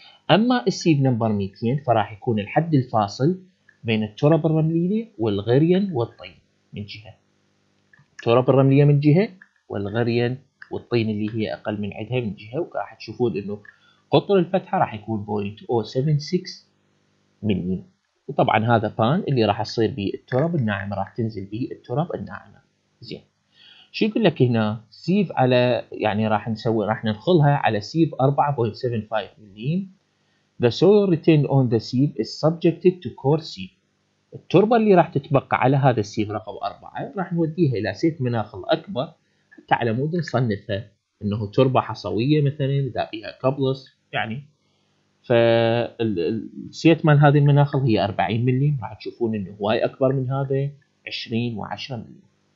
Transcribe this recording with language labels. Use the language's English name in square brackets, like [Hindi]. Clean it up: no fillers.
[Arabic] اما السيف نمبر 200 فراح يكون الحد الفاصل بين التراب الرمليه والغريان والطين من جهة، التراب الرملية من جهة والغريان والطين اللي هي أقل من عدها من جهة، وراح تشوفون إنه قطر الفتحة راح يكون 0.076 ملي. وطبعا هذا بان اللي راح يصير به التراب الناعم، راح تنزل به التراب الناعم. زين شو يقول لك هنا؟ سيف على يعني راح نسوي راح ننخلها على سيف 4.75 ملي. [English] The soil retained on the sieve is subjected to coarse sieve. [Arabic] التربة اللي راح تتبقى على هذا السيف رقم 4 راح نوديها الى سيف مناخل اكبر حتى على مود نصنفها انه تربة حصوية مثلا اذا بها كابلس يعني. فالسيت مال هذه المناخل هي 40 ملي، راح تشوفون انه هواي اكبر من هذا 20 و10 ملي.